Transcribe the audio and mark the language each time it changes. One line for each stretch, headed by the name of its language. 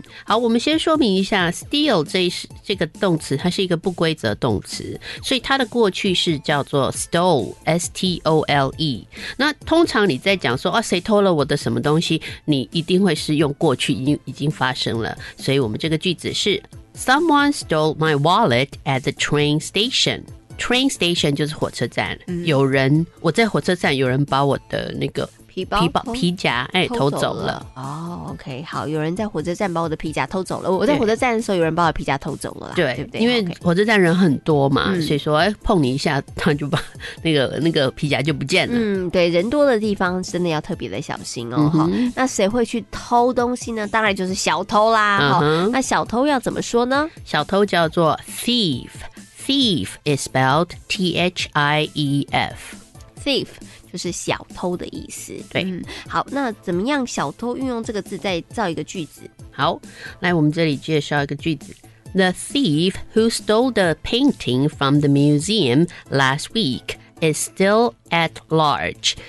Chinese: 好，我们先说明一下 steal 这个动词，它是一个不规则动词，所以它的过去式叫做 stole， S T O L E。那通常你在讲说啊，谁偷了我的什么东西，你一定会是用过去，已经发生了，所以我们这个句子是。
English: Someone stole my wallet at the train station.
Chinese: Train station 就是火车站。有人，我在火车站，有人把我的那个皮夹偷走了。哦 ，OK， 好，有人在火车站把我的皮夹偷走了。我在火车站的时候，有人把我的皮夹偷走了啦。对，对不对？因为火车站人很多嘛，所以说碰你一下，他就把那个皮夹就不见了。对，人多的地方真的要特别的小心哦。那谁会去偷东西呢？当然就是小偷啦。那小偷要怎么说呢？小偷叫做 thief。
English: thief is spelled T-H-I-E-F。
Chinese: thief。 就是小偷的意思。对，好，那怎么样小偷运用这个字再造一个句子。好，来，我们这里介绍一个句子。
English: The thief who stole the painting from the museum last week is still at large.